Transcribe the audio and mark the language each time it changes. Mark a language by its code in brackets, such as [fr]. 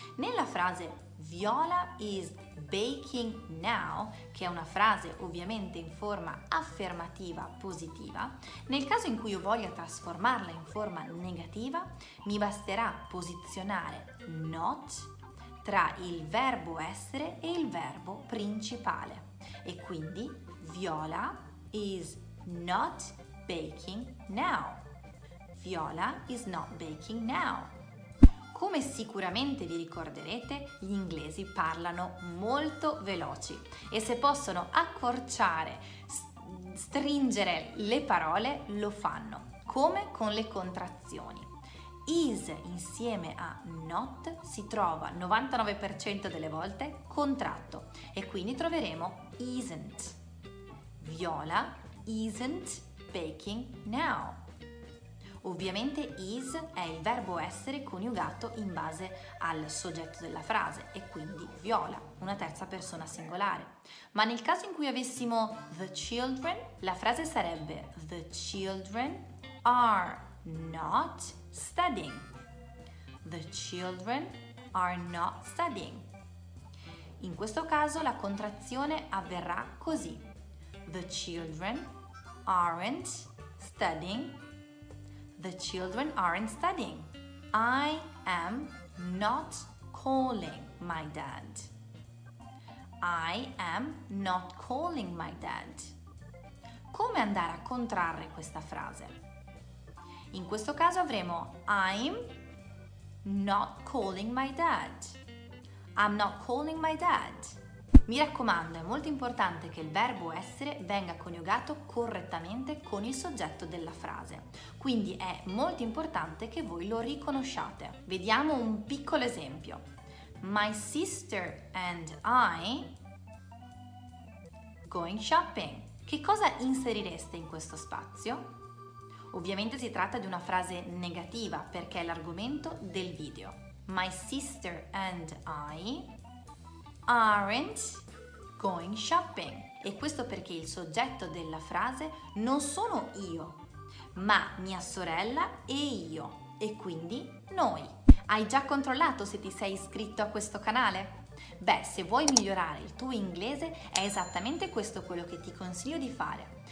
[it] Nella frase [en] Viola is baking now, [it] che è una frase ovviamente in forma affermativa positiva, nel caso in cui io voglia trasformarla in forma negativa, mi basterà posizionare not tra il verbo essere e il verbo principale. E quindi [en] Viola is not baking now. Viola is not baking now. [it] Come sicuramente vi ricorderete, gli inglesi parlano molto veloci e se possono accorciare, stringere le parole, lo fanno, come con le contrazioni. Is insieme a not si trova 99% delle volte contratto e quindi troveremo isn't. [en] Viola isn't baking now. [it] Ovviamente is è il verbo essere coniugato in base al soggetto della frase e quindi Viola, una terza persona singolare. Ma nel caso in cui avessimo the children, la frase sarebbe [en] the children are not studying. The children are not studying. [it] In questo caso la contrazione avverrà così. [en] The children aren't studying. The children aren't studying. I am not calling my dad. I am not calling my dad. [it] Come andare a contrarre questa frase? In questo caso avremo [en] I'm not calling my dad. [it] I'm not calling my dad. Mi raccomando, è molto importante che il verbo essere venga coniugato correttamente con il soggetto della frase. Quindi è molto importante che voi lo riconosciate. Vediamo un piccolo esempio. [en] My sister and I going shopping. [it] Che cosa inserireste in questo spazio? Ovviamente si tratta di una frase negativa perché è l'argomento del video. [en] My sister and I aren't going shopping. [it] E questo perché il soggetto della frase non sono io, ma mia sorella e io, e quindi noi. Hai già controllato se ti sei iscritto a questo canale? Beh, se vuoi migliorare il tuo inglese, è esattamente questo quello che ti consiglio di fare.